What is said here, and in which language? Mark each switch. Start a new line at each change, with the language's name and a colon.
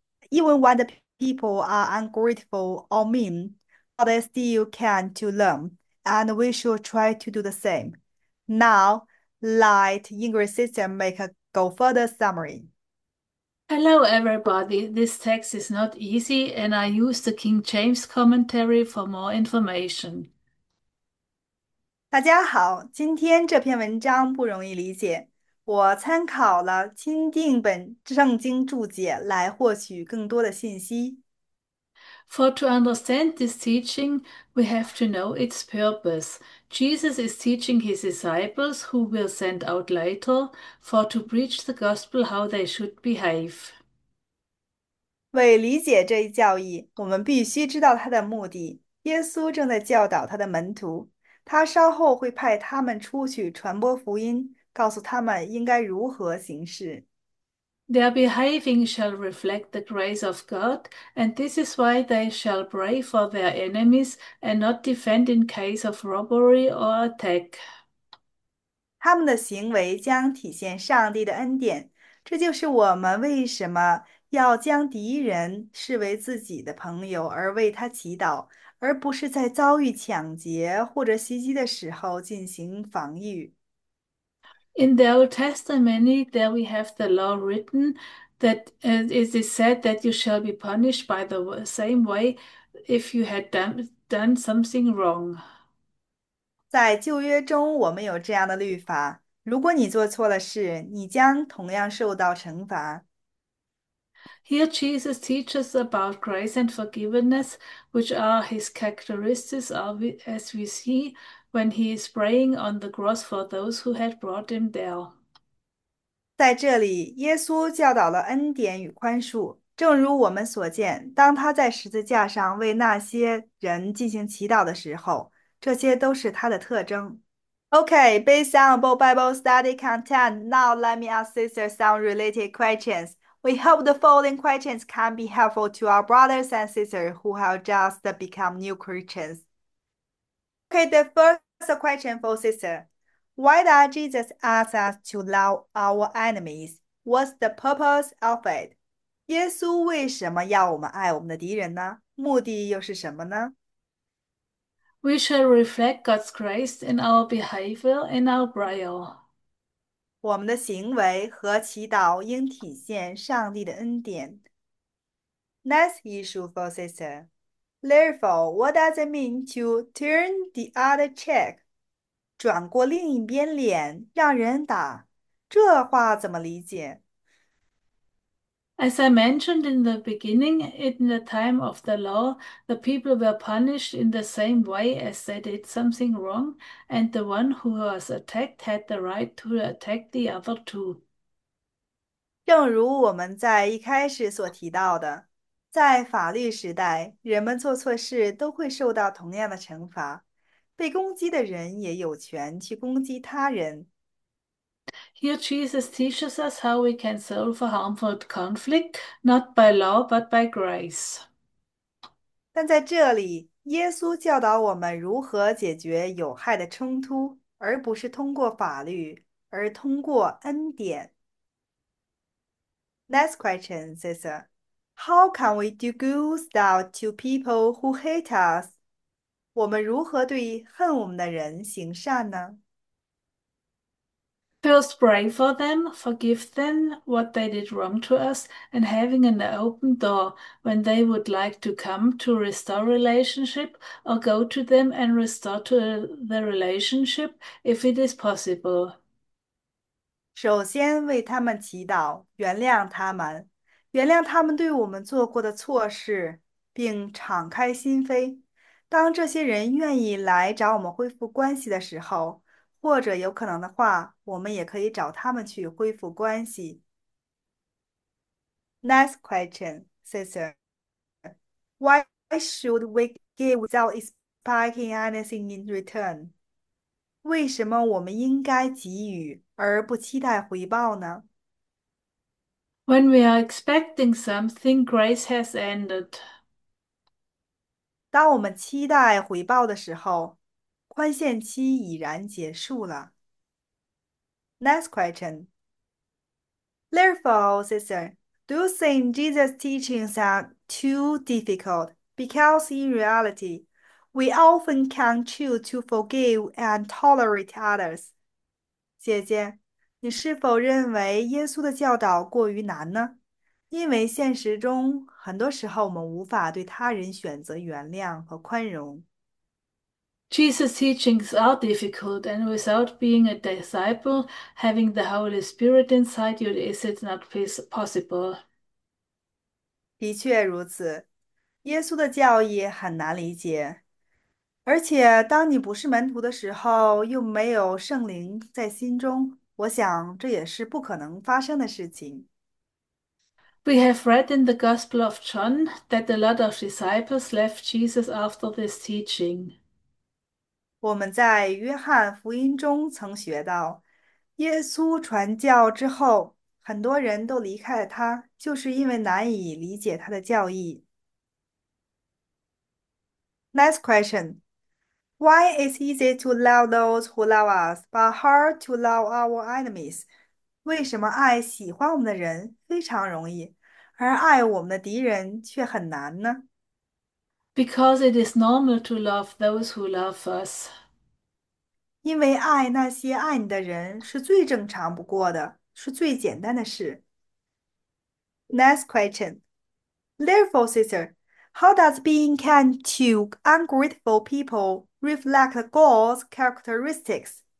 English: Even when the people are ungrateful or mean, God is still kind to them, and we should try to do the same. Now, let English system make a go further summary. Hello, everybody. This text is not easy, and I use the King James Commentary for more information.
Chinese: 大家好，今天这篇文章不容易理解，我参考了钦定本圣经注解来获取更多的信息。
English: For to understand this teaching, we have to know its purpose. Jesus is teaching his disciples, who will send out later, for to preach the gospel how they should behave.
Chinese: 为理解这一教义，我们必须知道他的目的。耶稣正在教导他的门徒，他稍后会派他们出去传播福音，告诉他们应该如何行事。
English: Their behaving shall reflect the grace of God, and this is why they shall pray for their enemies and not defend in case of robbery or attack.
Chinese: 他们的行为将体现上帝的恩典，这就是我们为什么要将敌人视为自己的朋友，而为他祈祷，而不是在遭遇抢劫或者袭击的时候进行防御。
English: In the Old Testament, there we have the law written that it is said that you shall be punished by the same way if you had done something wrong.
Chinese: 在旧约中，我们有这样的律法：如果你做错了事，你将同样受到惩罚。
English: Here Jesus teaches about grace and forgiveness, which are his characteristics, as we see when he is praying on the cross for those who had brought him there.
Chinese: 在这里，耶稣教导了恩典与宽恕。正如我们所见，当他在十字架上为那些人进行祈祷的时候，这些都是他的特征。
English: OK，based on both Bible study content, now let me ask sister some related questions. We hope the following questions can be helpful to our brothers and sisters who have just become new Christians. Okay, the first question for sister. Why does Jesus ask us to love our enemies? What's the purpose of it?
Chinese: 耶稣为什么要我们爱我们的敌人呢？目的又是什么呢？
English: We shall reflect God's grace in our behavior and our prayer.
Chinese: 我们的行为和祈祷应体现上帝的恩典。
English: Next issue for sister. Therefore, what does it mean to turn the other cheek?
Chinese: 转过另一边脸，让人打，这话怎么理解？
English: As I mentioned in the beginning, in the time of the law, the people were punished in the same way as they did something wrong, and the one who was attacked had the right to attack the other two.
Chinese: 正如我们在一开始所提到的，在法律时代，人们做错事都会受到同样的惩罚。被攻击的人也有权去攻击他人。
English: Here Jesus teaches us how we can solve a harmful conflict, not by law, but by grace.
Chinese: 但在这里，耶稣教导我们如何解决有害的冲突，而不是通过法律，而通过恩典。
English: Next question, sister. How can we do good stuff to people who hate us?
Chinese: 我们如何对恨我们的人行善呢？
English: First, pray for them, forgive them what they did wrong to us, and having an open door when they would like to come to restore relationship, or go to them and restore to the relationship if it is possible.
Chinese: 首先为他们祈祷，原谅他们，原谅他们对我们做过的错事，并敞开心扉。当这些人愿意来找我们恢复关系的时候，或者有可能的话，我们也可以找他们去恢复关系。
English: Next question, sister. Why should we give without explanation? Parking anything in return？
Chinese: 为什么我们应该给予而不期待回报呢？
English: When we are expecting something, grace has ended.
Chinese: 当我们期待回报的时候，宽限期已然结束了。
English: Next question. Therefore, sister, do you think Jesus' teachings are too difficult? Because in reality, we often can choose to forgive and tolerate others.
Chinese: 姐姐，你是否认为耶稣的教导过于难呢？因为现实中，很多时候我们无法对他人选择原谅和宽容。
English: Jesus' teachings are difficult, and without being a disciple, having the Holy Spirit inside you, is it not possible?
Chinese: 的确如此，耶稣的教义很难理解。而且，当你不是门徒的时候，又没有圣灵在心中，我想这也是不可能发生的事情。
English: We have read in the Gospel of John that a lot of disciples left Jesus after this teaching.
Chinese: 我们在约翰福音中曾学到，耶稣传教之后，很多人都离开了他，就是因为难以理解他的教义。
English: Next question. Why is it easy to love those who love us, but hard to love our enemies?
Chinese: 为什么爱喜欢我们的人非常容易，而爱我们的敌人却很难呢？
English: Because it is normal to love those who love us.
Chinese: 因为爱那些爱你的人是最正常不过的，是最简单的事。
English: Next question. Therefore, sister, how does being kind to ungrateful people reflect God's characteristics?